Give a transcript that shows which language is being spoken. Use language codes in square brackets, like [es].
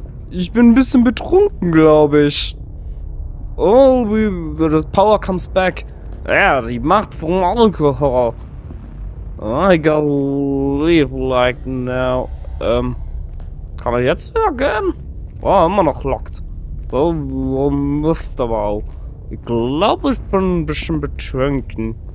[de] Ich bin ein bisschen betrunken, glaube ich. [en] All the power comes back. [de] Ja, die Macht vom Alkohol. [en] I gotta leave like now. [de] Kann er jetzt wieder gehen? Oh, immer noch locked. Mist, aber auch. Ich glaube, ich bin ein bisschen betrunken.